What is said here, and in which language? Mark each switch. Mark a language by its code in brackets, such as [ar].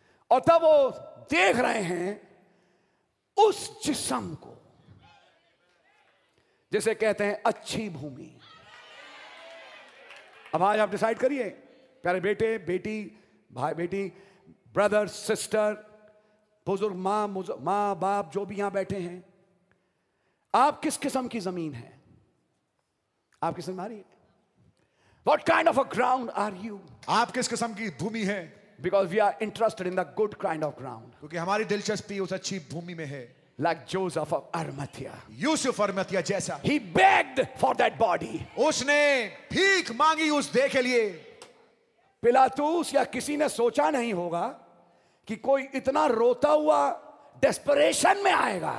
[hi] और तब वो देख रहे हैं उस जिस्म को जिसे कहते हैं अच्छी भूमि। अब आज आप डिसाइड करिए, प्यारे बेटे बेटी भाई बेटी, ब्रदर सिस्टर, बुजुर्ग मां मां बाप जो भी यहां बैठे हैं, आप किस किस्म की जमीन है? आप किस किस्म आ रही है? [en] What kind of a ground are you? [hi] आप किस किस्म की भूमि है? [en] Because we are interested in the good kind of ground. [hi] क्योंकि हमारी दिलचस्पी उस अच्छी भूमि में है। [en] Like Joseph of Arimathea. [hi] Yusuf Arimathea जैसा। [en] He begged for that body. [hi] उसने भीख मांगी उस देह के लिए। पिलातुस या किसी ने सोचा नहीं होगा कि कोई इतना रोता हुआ desperation में आएगा।